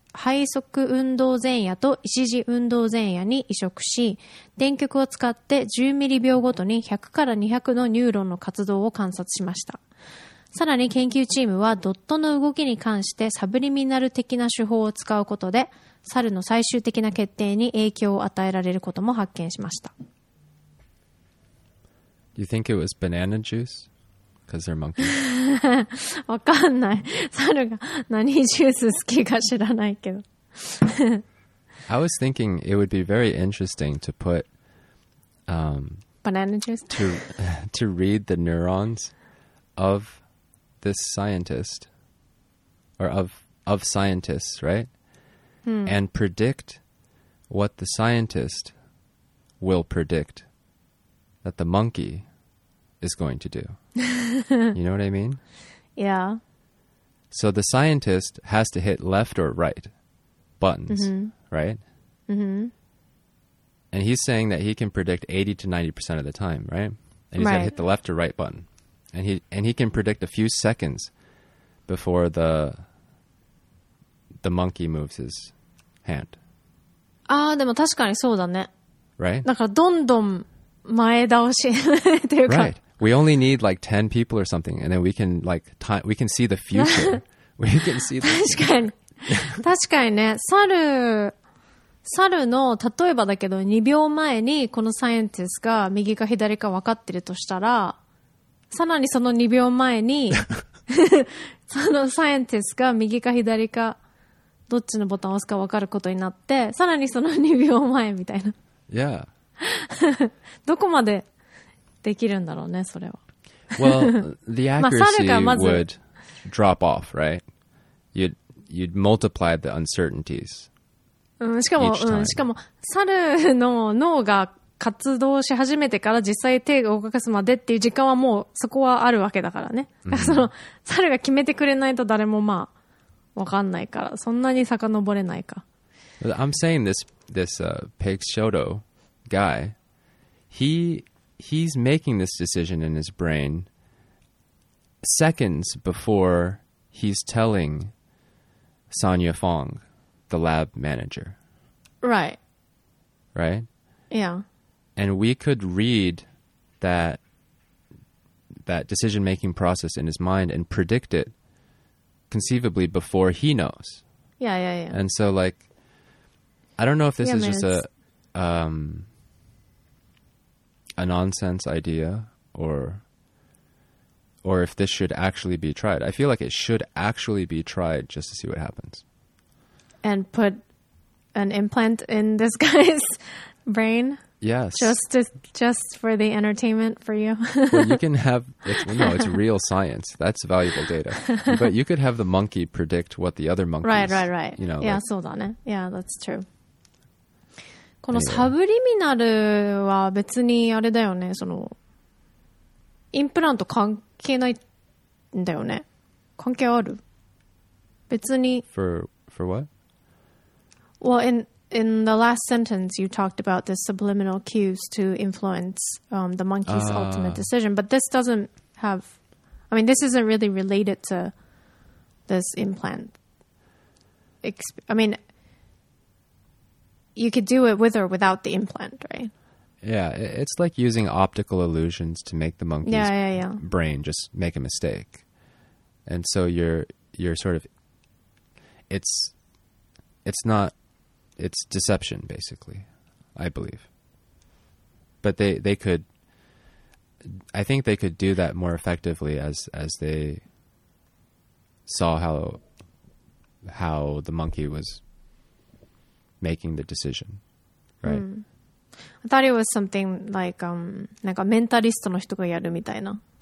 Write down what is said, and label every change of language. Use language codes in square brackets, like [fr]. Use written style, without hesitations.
[ja] 背側運動前野と一時運動前野に移植し、電極を使って10ミリ秒ごとに100から200のニューロンの活動を観察しました。さらに研究チームはドットの動きに関してサブリミナル的な手法を使うことで、猿の最終的な決定に影響を与えられることも発見しました。 [en] You think it was banana juice? Because they're monkeys. [ja] わかんない。猿が何ジュース好きか知らないけど。 [en] I was thinking it would be very interesting to put... banana juice? To read the neurons of... this scientist or of scientists, right? And predict what the scientist will predict that the monkey is going to do. You know what I mean? Yeah. So the scientist has to hit left or right buttons, mm-hmm. right? Mm-hmm. And he's saying that he can predict 80 to 90% of the time, right? And he's right. gonna hit the left or right button. And he can predict a few seconds before the monkey moves his hand. [ja] ああ、でも確かにそうだね。 [en] Right? [ja] だからどんどん前倒しというか。 [en] Right. We only need like 10 people or something, and then we can like we can see the future. We can see the future. [ja] 確かに。確かにね。猿の例えばだけど2秒前にこのサイエンティストが右か左か分かってるとしたら、さらにその2秒前にそのサイエンティストが右か左かどっちのボタンを押すか分かることになって、さらにその2秒前みたいな、 [en] yeah. [ja] どこまでできるんだろうねそれは。 [en] Well, the accuracy would drop off, right? You'd multiply the uncertainties. [ja] しかも猿の脳が活動し始めてから実際手を動かすまでっていう時間はもうそこはあるわけだからね。 mm-hmm. その猿が決めてくれないと誰もまあわかんないから、そんなに遡れないか。 [en] I'm saying this Peg Shoto guy, he's making this decision in his brain seconds before he's telling Sonia Fong, the lab manager. Right? Yeah. And we could read that decision-making process in his mind and predict it conceivably before he knows. Yeah. And so, like, I don't know if this is just a nonsense idea or if this should actually be tried. I feel like it should actually be tried just to see what happens. And put an implant in this guy's brain? Yes. Just for the entertainment for you. Well, you can have... it's real science. That's valuable data. But you could have the monkey predict what the other monkeys... Right. You know, yeah, like, [ja] そうだね。 [en] Yeah, that's true. [ja] このサブリミナルは別にあれだよね。その、インプラント関係ないんだよね。関係ある？別に。 [en] For what? Well, In the last sentence, you talked about the subliminal cues to influence the monkey's ultimate decision. But this doesn't have... I mean, this isn't really related to this implant. I mean, you could do it with or without the implant, right? Yeah, it's like using optical illusions to make the monkey's brain just make a mistake. And so you're sort of... It's not... It's deception, basically, I believe. But they could... I think they could do that more effectively as they saw how the monkey was making the decision, right? Mm. I thought it was something like... [ja] なんかメンタリストの人がやるみたいな。